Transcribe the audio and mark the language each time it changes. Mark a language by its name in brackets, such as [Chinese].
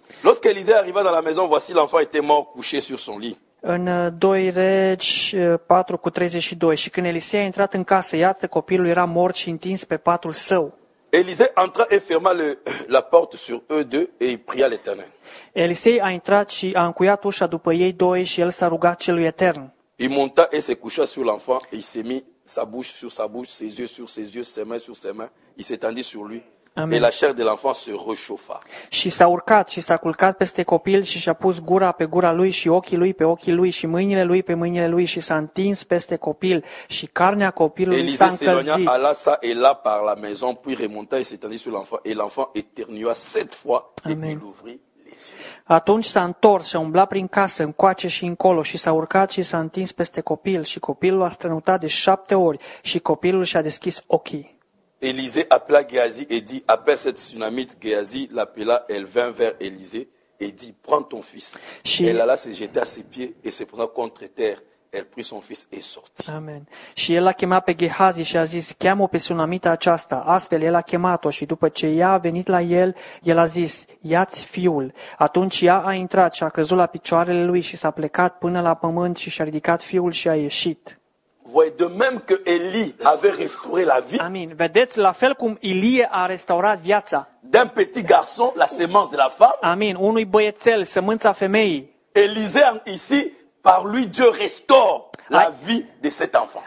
[French] Lorsque Élisée arriva dans la maison, voici l'enfant était mort couché sur son lit. [Romanian] În 2 Regi 4 cu 32. Și când Élisée a intrat în casă, iată copilul era mort și întins pe patul său. [French] Élisée entra et ferma la porte sur eux deux et pria l'Éternel. [Romanian] Élisée a intrat și a încuiat ușa după ei doi și el s-a rugat celui etern. [French] Il monta et se coucha sur l'enfant et il s'est mis sa bouche sur sa bouche, ses yeux sur ses yeux, ses mains sur ses mains, il s'étendit sur lui. [Romanian] Amin. [French] Et la chair de l'enfant se réchauffa. [Romanian] Și s-a urcat și s-a culcat peste copil și și-a pus gura pe gura lui și ochii lui pe ochii lui și mâinile lui pe mâinile lui și s-a întins peste copil și carnea copilului s-a încălzit. [French] Élisée s'éloigna, alla ça et là par la maison, puis remonta et s'étendit sur l'enfant et l'enfant éternua sept fois et il ouvrit les yeux. [Romanian] Atunci s-a întors, s-a umblat prin casă, încoace și încolo și s-a urcat și s-a întins peste copil și copilul a strănutat de șapte ori și copilul și-a deschis ochii. [French] Élisée appela Gehazi et dit, appelle cette tsunamite. Gehazi l'appela, elle vint vers Élisée et dit, prends ton fils. [Romanian] Și [French] elle alla se jeter à ses pieds et se présenta contre terre el prit son fils et sorti. [Romanian] Amen. Și el a chemat pe Gehazi și a zis: cheamă-o pe sunamita aceasta. Astfel el a chemat-o și după ce ea a venit la el, el a zis: ia-ți fiul. Atunci ea a intrat și a căzut la picioarele lui și s-a plecat până la pământ și și-a ridicat fiul și a ieșit. [French] Voyez de même que Élie avait restauré la vie. [Romanian] Amin. Vedeți la fel cum Ilie a restaurat viața. [French] D'un petit garçon la semence de la femme. [Romanian] Amin. Unui băiețel sămânța femeii. [French] Élisée ici par lui Dieu restaure la vie de cet enfant.